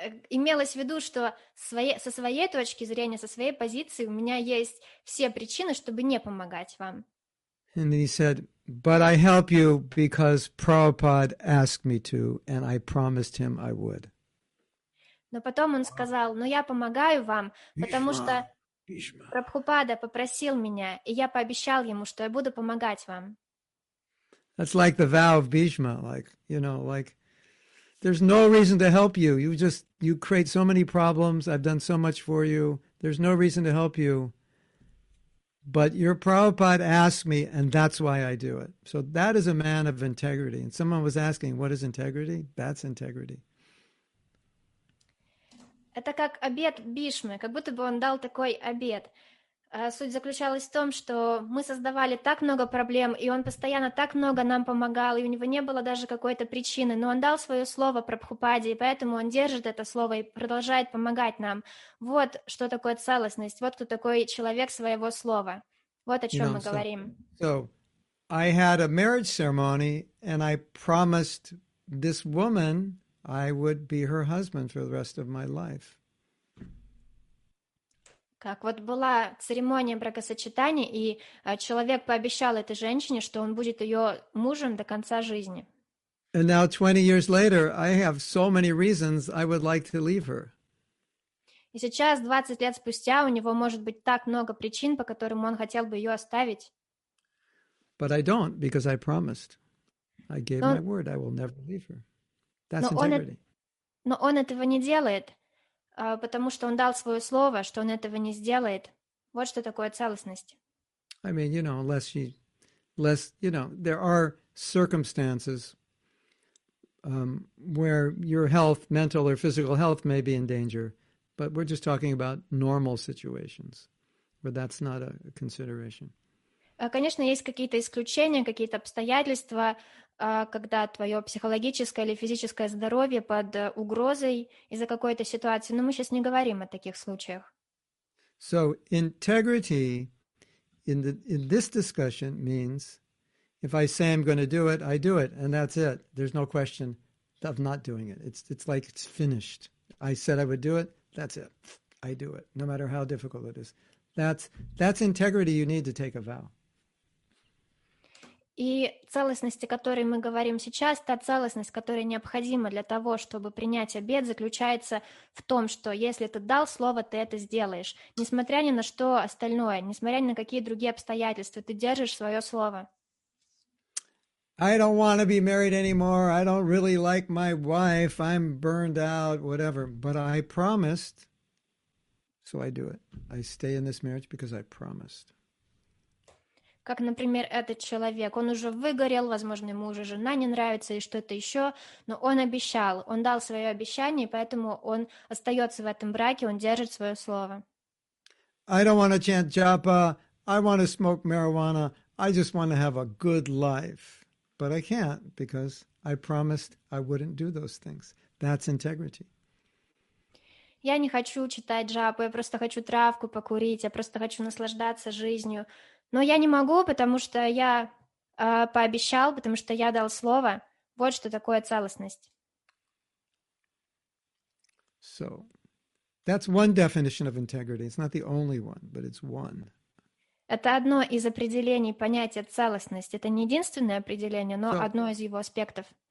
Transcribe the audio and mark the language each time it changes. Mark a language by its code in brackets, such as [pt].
[ru] Имелось в виду, что со своей точки зрения, со своей позиции, у меня есть все причины, чтобы не помогать вам. [en] And he said, but I help you because Prabhupada asked me to, and I promised him I would. [ru] Но потом он сказал, но я помогаю вам, потому что Прабхупада попросил меня, и я пообещал ему, что я буду помогать вам. [en] That's like the vow of Bhishma, like, you know, like, there's no reason to help you. You create so many problems, I've done so much for you, there's no reason to help you. But your Prabhupada asked me, and that's why I do it. So that is a man of integrity. And someone was asking, what is integrity? That's integrity. [ru] Это как обет Бишмы, как будто бы он дал такой обет. Суть заключалась в том, что мы создавали так много проблем, и он постоянно так много нам помогал, и у него не было даже какой-то причины, но он дал свое слово Прабхупаде, и поэтому он держит это слово и продолжает помогать нам. Вот что такое целостность, вот кто такой человек своего слова. Вот о чем мы говорим. [en] So, I had a marriage ceremony, and I promised this woman I would be her husband for the rest of my life. [ru] Как вот была церемония бракосочетания, и человек пообещал этой женщине, что он будет ее мужем до конца жизни. [en] And now 20 years later, I have so many reasons I would like to leave her. [ru] И сейчас, 20 лет спустя, у него может быть так много причин, по которым он хотел бы ее оставить. [en] But I don't, because I promised. I gave my word, I will never leave her. That's integrity. [ru] Но он этого не делает. потому что он дал свое слово, что он этого не сделает. Вот что такое целостность. [en] I mean, you know, unless, you know, there are circumstances where your health, mental or physical health, may be in danger, but we're just talking about normal situations where that's not a consideration. [ru] Конечно, есть какие-то исключения, какие-то обстоятельства, когда твое психологическое или физическое здоровье под угрозой из-за какой-то ситуации, но мы сейчас не говорим о таких случаях. [en] So integrity in this discussion means if I say I'm going to do it, I do it, and that's it. There's no question of not doing it. It's like it's finished. I said I would do it, that's it. I do it, no matter how difficult it is. That's integrity. You need to take a vow. [ru] И целостность, о которой мы говорим сейчас, та целостность, которая необходима для того, чтобы принять обет, заключается в том, что если ты дал слово, ты это сделаешь. Несмотря ни на что остальное, несмотря ни на какие другие обстоятельства, ты держишь свое слово. [en] I don't want to be married anymore. I don't really like my wife. I'm burned out, whatever. But I promised, so I do it. I stay in this marriage because I promised. [ru] Как, например, этот человек, он уже выгорел, возможно, ему уже жена не нравится и что-то еще, но он обещал, он дал свое обещание, и поэтому он остается в этом браке, он держит свое слово. [en] I don't want to chant japa, I want to smoke marijuana, I just want to have a good life. But I can't, because I promised I wouldn't do those things. That's integrity. [ru] Я не хочу читать джапу, я просто хочу травку покурить, я просто хочу наслаждаться жизнью. Но я не могу, потому что я пообещал, потому что я дал слово. Вот что такое целостность. [en] So, that's one definition of integrity. It's not the only one, but it's one. [ru] Это одно из определений понятия целостность. Это не единственное определение, но одно из его аспектов.